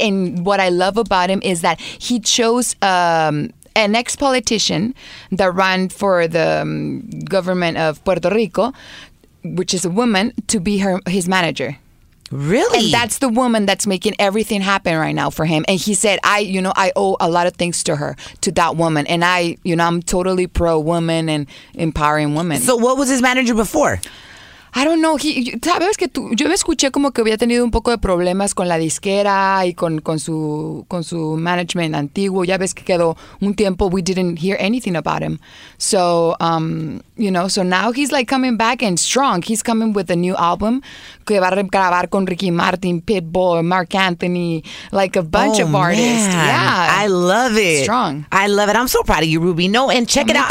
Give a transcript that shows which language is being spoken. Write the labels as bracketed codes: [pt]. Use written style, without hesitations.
[en] And what I love about him is that he chose... an ex-politician that ran for the government of Puerto Rico, which is a woman, to be his manager. Really? And that's the woman that's making everything happen right now for him. And he said, I owe a lot of things to her, to that woman. And I, you know, I'm totally pro-woman and empowering women. So what was his manager before? I don't know. [es] Sabes que tú, yo me escuché como que había tenido un poco de problemas con la disquera y con su management antiguo. Ya ves que quedó un tiempo. [en] We didn't hear anything about him. So, you know, so now he's like coming back and strong. He's coming with a new album [es] que va a grabar con [en] Ricky Martin, Pitbull, Mark Anthony, like a bunch oh, of man. Artists. Yeah. I love it. Strong. I love it. I'm so proud of you, Rubi. No, and check it out.